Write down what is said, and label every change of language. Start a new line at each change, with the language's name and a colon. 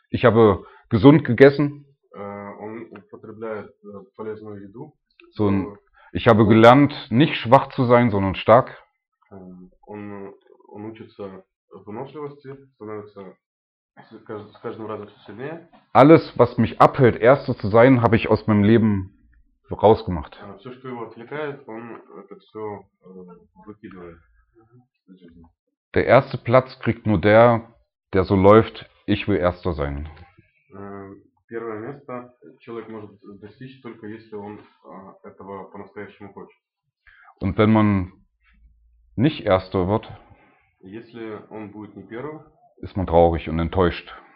German: Ich habe gesund gegessen.
Russian: Он употребляет полезную еду.
German: So, ich habe gelernt, nicht schwach zu sein, sondern stark.
Russian: Он учится выносливости, становится с каждым разом все сильнее.
German: Alles, was mich abhält, Erster zu sein, habe ich aus meinem Leben rausgemacht.
Russian: Все, что его отвлекает, он это все выкидывает.
German: Der erste Platz kriegt nur der so läuft, ich will Erster sein.
Russian: Первое место человек может достичь, только если он этого по-настоящему хочет.
German: Und wenn man nicht Erster wird,
Russian: если он будет не первым,
German: ist man traurig und enttäuscht.